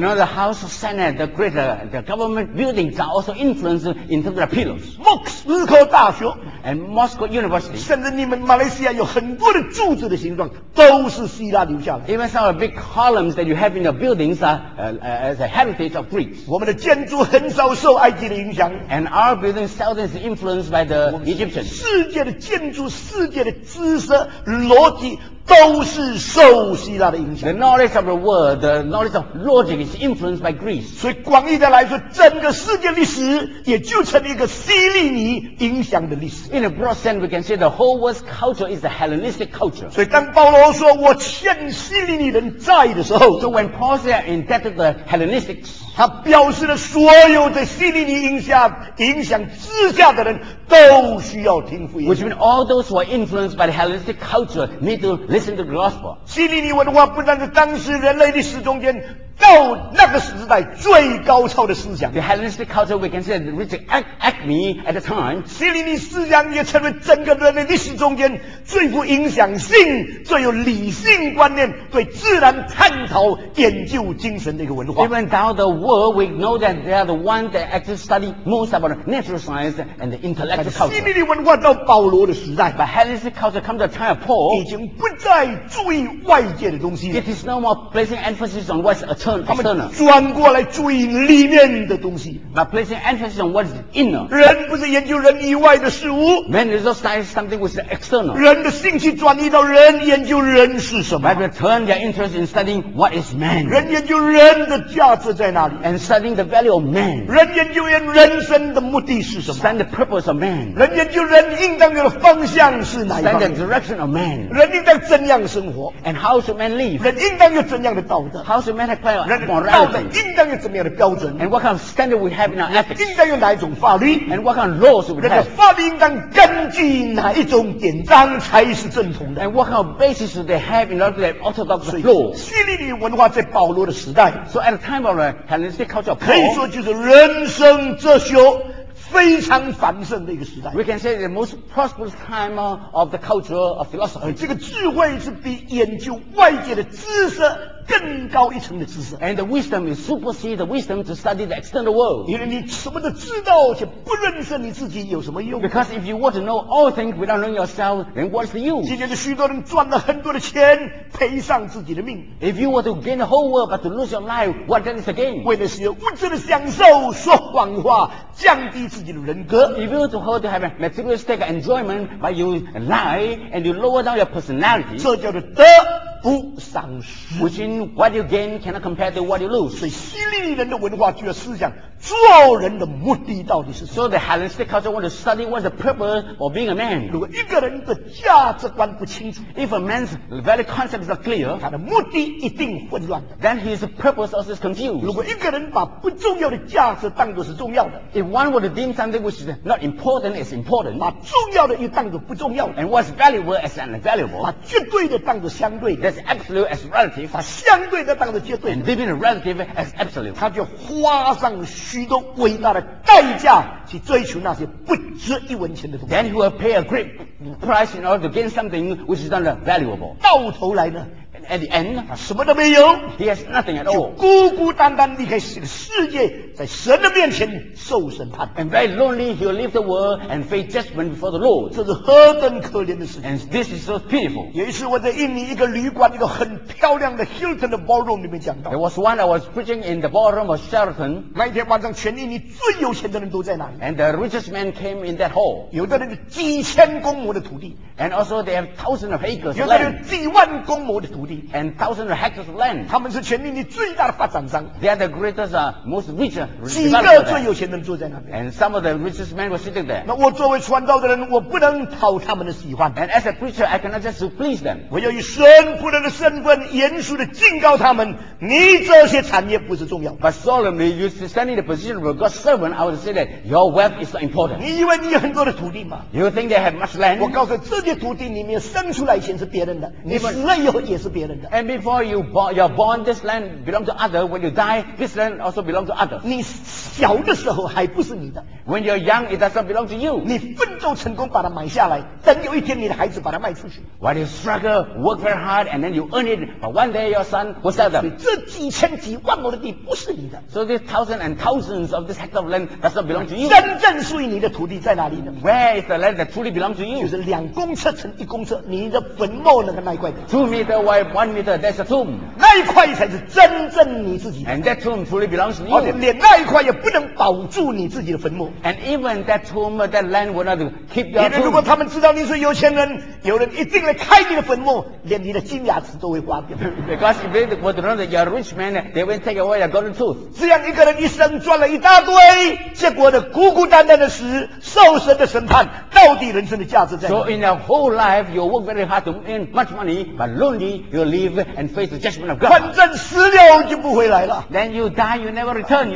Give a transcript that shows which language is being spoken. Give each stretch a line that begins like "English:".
English: know the House of Senate, the great the government buildings are also influenced in terms of the pillars.
Chinese: 莫斯科大学
English: and Moscow University.
Chinese: 甚至你们马来西亚有很多的柱子的形状都是希腊留下来。
English: Even some of the big columns that you have in your buildings are as a heritage of Greece.
Chinese: 我们的建筑很少受埃及的影响。
English: And our building seldom is influenced by the Egyptians.
Chinese: 世界的建筑、世界的知识、逻辑 都是受希腊的影响。
English: The knowledge of the world, the knowledge of logic is influenced by Greece.
Chinese: 所以广义的来说, 整个世界历史也就成了一个希利尼影响的历史。
English: In a broad sense, we can say the whole world's culture is the Hellenistic culture.
Chinese: 所以当保罗说, 我欠希利尼人债的时候,
English: so when Paul said, I'm indebted to the Hellenistics,
Chinese: 他表示了所有的希利尼影响之下的人都需要听福音。
English: Which means all those who are influenced by the Hellenistic culture need to listen. listen to the gospel.
Chinese: 基利尼文化不但是当时人类历史中间到那个时代最高超的思想。
English: The Hellenistic culture, we can say, reached acme at the time.
Chinese: 基利尼思想也成为整个人类历史中间最富影响性、最有理性观念、对自然探讨研究精神的一个文化。
English: Even though the world, we know that they are the ones that actually study most about natural science and the intellectual culture.
Chinese: 基利尼文化到保罗的时代
English: ，But Hellenistic culture comes to the time of Paul.
Chinese: 已经不再注意外界的东西。
English: It is no more placing emphasis on what's a
Chinese: 他们转过来注意里面的东西。
English: But placing emphasis on what is inner.
Chinese: 人不是研究人以外的事物。
English: Man is not studying something which is external.
Chinese: 人的兴趣转移到人研究人是什么。
English: But turn their interest in studying what is man.
Chinese: 人研究人的价值在哪里。
English: And studying the value of man.
Chinese: 人研究人生的目的是什么。
English: Study the purpose of man.
Chinese: 人研究人应当有的方向是哪一方。
English: Study the direction of man.
Chinese: 人应当怎样生活。
English: And how should man live?
Chinese: 人应当有怎样的道德。
English: How should man acquire?
Chinese: 人道德应当有怎么样的标准
English: ？And what kind of standard we have in our ethics？
Chinese: 应当有哪一种法律
English: ？And what kind of laws we have？
Chinese: 人的法律应当根据哪一种典章才是正统的
English: ？And what kind of basis do they have in order to have orthodox law？
Chinese: 希利尼文化在保罗的时代
English: ，So at the time of the Hellenistic culture，
Chinese: 可以说就是人生哲学。非常繁盛的一个时代。
English: We can say the most prosperous time of the culture of philosophy.
Chinese: 这个智慧是比研究外界的知识更高一层的知识。
English: And the wisdom is supersede the wisdom to study the external world.
Chinese: 因为你什么都知道却不认识你自己有什么用
English: ？Because if you want to know all things without knowing yourself, then what's the use?
Chinese: 今天的许多人赚了很多的钱，赔上自己的命。
English: If you want to gain the whole world but to lose your life, what then is the gain?
Chinese: 为的是物质的享受，说谎话，降低。自己的人格
English: If you want to have a materialistic enjoyment but you lie and you lower down your personality
Chinese: 这叫做得不偿失
English: Which in what you gain cannot compare to what you lose
Chinese: 所以希利尼人的文化具有思想做人的目的到底是什么
English: So the Hellenistic culture want to study what's the purpose of being a man
Chinese: 如果一个人的价值观不清楚
English: If a man's value concept is not clear
Chinese: 他的目的一定混乱
English: Then his purpose also is confused
Chinese: 如果一个人把不重要的价值当作是重要的
English: If one were to deem something which is not important as important
Chinese: 把重要的又当作不重要的
English: And what's valuable as unvaluable
Chinese: 把绝对的当作相对的
English: That's absolute as relative
Chinese: 把相对的当作绝对的
English: And deeming relative as absolute
Chinese: 他就花上许多伟大的代价去追求那些不值一文钱的东西
English: Then he will pay a great price in order to gain something which is not valuable
Chinese: 到头来呢
English: At the end,
Chinese: 他什么都没有
English: He has nothing at all
Chinese: 孤孤单单离开这个世界在神的面前受审判
English: And very lonely he will leave the world and face judgment before the Lord
Chinese: 这是何等可怜的事
English: And this is so pitiful
Chinese: 有一次我在印尼一个旅馆一个很漂亮的 Hilton 的 ballroom 里面讲到
English: There was one I was preaching in the ballroom of Sheraton
Chinese: 那一天晚上全印尼最有钱的人都在那里
English: And the richest man came in that hall
Chinese: 有的人有几千公亩的土地
English: And also they have thousands of acres
Chinese: 有的人有几万公亩的土地
English: And thousands of hectares of land
Chinese: 他们是全印尼最大的发展商
English: They are the greatest, most rich
Chinese: 几个最有钱的人坐在那边
English: And some of the richest men were sitting there
Chinese: 那我作为传道的人我不能讨他们的喜欢
English: And as a preacher I cannot just please them
Chinese: 我要以神仆人的身份严肃地警告他们你这些产业不是重要
English: But solemnly you standing in the position of a God's servant I would say that your wealth is not important
Chinese: 你以为你有很多的土地吗
English: You think they have much land
Chinese: 我告诉你这些土地里面生出来钱是别人的你死了以后也是别人的
English: And before you're born this land belongs to others when you die this land also belongs to others
Chinese: 你小的时候还不是你的
English: When you're young, it does not belong to you
Chinese: 你奋斗成功把它买下来等有一天你的孩子把它卖出去
English: When you struggle, work very hard and then you earn it but one day your son will sell them
Chinese: 这几千几万亩的地不是你的
English: So these thousands and thousands of this hectare of land does not belong to you
Chinese: 真正属于你的土地在哪里呢
English: Where is the land that truly belongs to you
Chinese: 就是两公尺乘一公尺你的坟墓那个那一块地
English: 2 meter wide, 1 meter, that's a tomb
Chinese: 那一块才是真正你自己的
English: And that tomb truly belongs to you
Chinese: 连那一块也不能保住你自己的坟墓
English: And even that tomb, that land will not keep your tomb
Chinese: 如果他们知道你是有钱人有人一定来开你的坟墓连你的金牙齿都会花掉
English: Because if they were to know that you're a rich man they will take away your golden tooth
Chinese: 这样一个人一生赚了一大堆结果的孤孤单单的死受神的审判到底人生的价值在哪
English: So in your whole life you work very hard to earn much money but lonely you you live and face the judgment of God.
Chinese: 反正死了就不回来了。
English: Then you die, you never return.